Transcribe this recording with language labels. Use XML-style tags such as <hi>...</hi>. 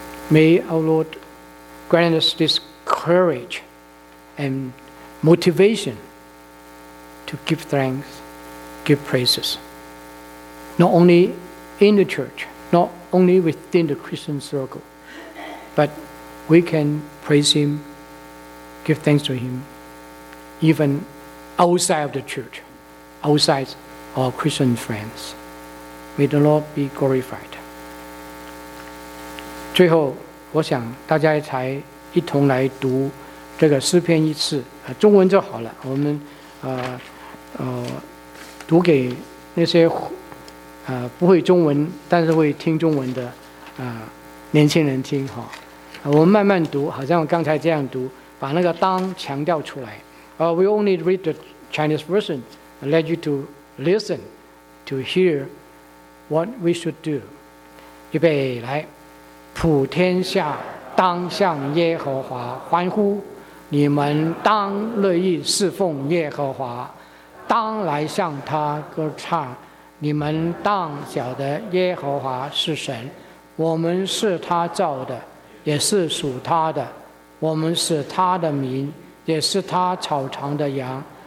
<en>May our Lord grant us this courage and motivation to give thanks, give praises, not only in the church, not only within the Christian circle, but we can praise Him, give thanks to Him, even outside of the church, outside our Christian friends. May the Lord be glorified.</en> <zh>最后，我想大家才一同来读这个诗篇一次，中文就好了。我们读给那些不会中文但是会听中文的年轻人听哈。我们慢慢读，好像刚才这样读，把那个当强调出来。</zh> <en>We only read the Chinese version. I let you to listen, to hear what we should do.</en> <zh>预备来。普天下当向耶和华欢呼，你们当乐意侍奉耶和华，当来向他歌唱，你们当晓得耶和华是神，我们是他造的，也是属他的，我们是他的民，也是他草场的羊。</zh>